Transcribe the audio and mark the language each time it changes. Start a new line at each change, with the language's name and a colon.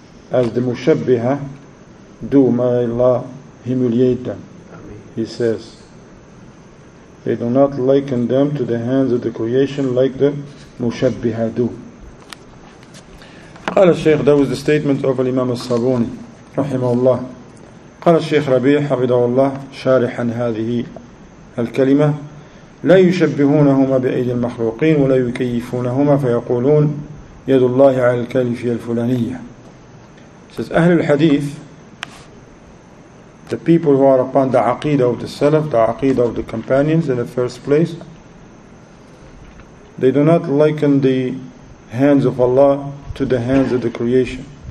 English: As the mushabbiha do, may Allah humiliate them. He says, they do not liken them to the hands of the creation like the mushabbiha do.
Arabic: قال الشيخ,
English: that was the statement of Imam al-Sabuni رحمه الله.
Arabic: قال الشيخ ربيع حفظه الله شارحا هذه الكلمة, لا يشبهونهما بأيدي المخلوقين ولا يكيفونهما فيقولون يد الله على الكلفية الفلانية.
English: Says Ahl al-Hadith, the people who are upon the aqidah of the Salaf, the aqidah of the companions in the first place, they do not liken the hands of Allah to the hands of the creation.